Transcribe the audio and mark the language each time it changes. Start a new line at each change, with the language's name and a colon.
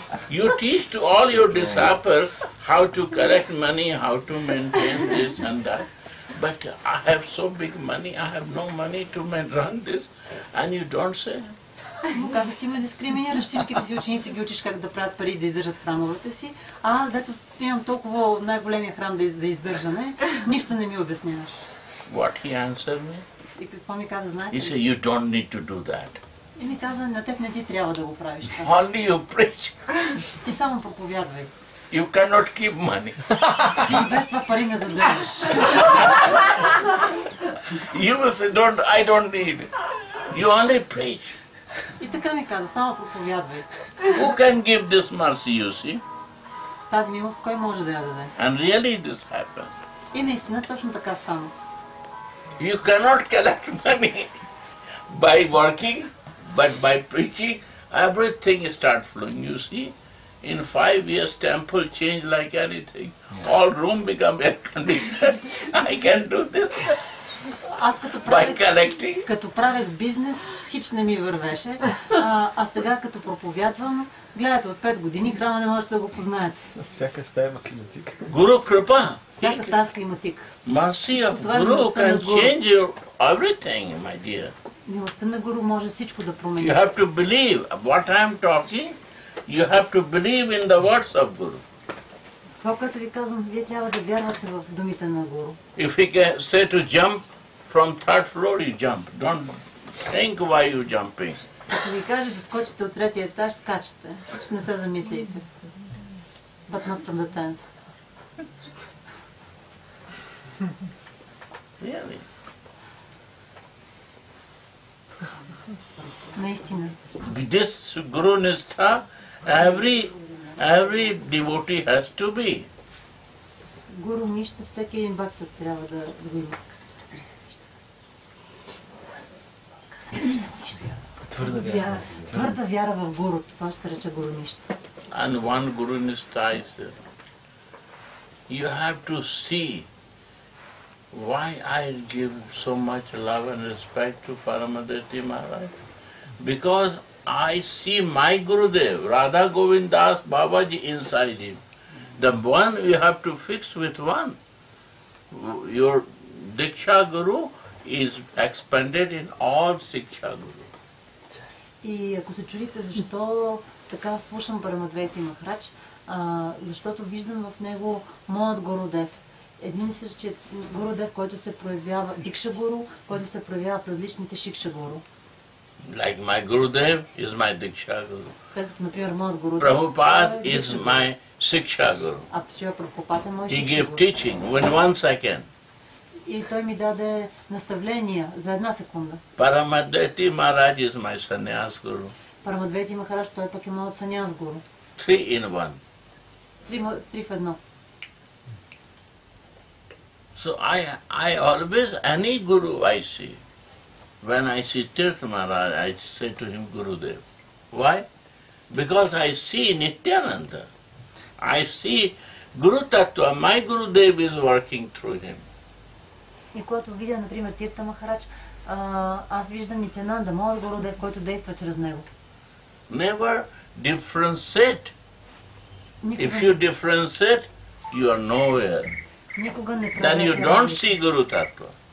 English: You teach to all your disciples how to collect money, how to maintain this and that. But I have so big money, I have no money to run this, and you don't say.
Bulgarian: Казах, ти ме дискриминираш, всичките си ученици ги учиш как да правят пари да издържат храмовете си, а аз дето имам толкова най-големия храм за издържане, нищо не ми обясняваш.
English: What he answered me?
Bulgarian: И какво ми каза, знаете?
English: He said, you don't need to do that.
Bulgarian: И ми каза, на теб не ти трябва да го правиш.
English: Only you preach.
Bulgarian: Ти само проповядвай.
English: You cannot keep money.
Bulgarian: Ти без това пари не задържаш.
English: You will say, don't, I don't need. You only preach.
Bulgarian: И така ми каза, само проповядвай.
English: Who can give this mercy, you see?
Bulgarian: Тази милост кой може да я даде?
English: And really this happened.
Bulgarian: И наистина точно така стана.
English: You cannot collect money by working, but by preaching, everything start flowing, you see? In 5 years, temple change like anything. Yeah. All room become air conditioned. I can do this.
Bulgarian: Аз като правих, като правех бизнес, хич не ми вървеше, а сега като проповядвам, гледате от 5 години храма не можете да го познаете. Всяка стая има климатик. Гуру Крупа! Всяка стая с климатик.
English: Mercy of Guru can change everything, my dear.
Bulgarian: Милостта на Гуру може всичко да промени.
English: You have to believe what I am talking, you have to believe in the words of Guru.
Bulgarian: Това, което ви казвам, вие трябва да вярвате в думите на Гуру.
English: If he can say to jump from third floor, you jump. Don't think why you jumping.
Bulgarian: Ако ви каже да скочите от третия етаж, скачате. Ще не се замислите.
English: But not from the tenth. Really?
Bulgarian: Наистина.
English: This Guru Nistha, every devotee has to be.
Bulgarian: Guru Nishtha, всеки един бхакта трябва да има. Твърда вяра. Твърда вяра в Гуру, това ще рече Guru Nishtha.
English: And one Guru Nishtha is, you have to see why I give so much love and respect to Paramadvaiti Maharaj. Because I see my Gurudev, Radha Govindas Babaji inside him. The one you have to fix with one. Your Diksha Guru is expanded in all Siksha Guru.
Bulgarian: И ако се чудите защо така слушам Парамадвейти Махарадж, защото виждам в него моят Гурудев. Един същия Гурудев, който се проявява, Дикша Гуру, който се проявява в различните Шикша Гуру.
English: Like my Gurudev is my Diksha Guru.
Bulgarian: Например, моят Гурудев.
English: Prabhupada is my Siksha Guru.
Bulgarian: А Шрила Прабхупад е мой Шикша
English: Гуру. He gave teaching in one second.
Bulgarian: И той ми даде наставления за една секунда.
English: Paramadvaiti Maharaj is my Sanyas Guru.
Bulgarian: Paramadvaiti Maharaj, той пък е моят Sanyas Guru.
English: Three in one.
Bulgarian: Три в едно.
English: So I always, any Guru I see, when I see Tirtha Maharaj, I say to him, Gurudev. Why? Because I see Nityananda. I see Guru Tattva. My Gurudev is working through him.
Bulgarian: И когато видя, например, Тирта Махарадж, аз виждам Нитянанда, моят Гурудев, който действа чрез него.
English: Never differentiate.
Bulgarian: Никога...
English: If you differentiate, you are nowhere.
Bulgarian: Никога не правя.
English: Then you don't see Guru Tattva.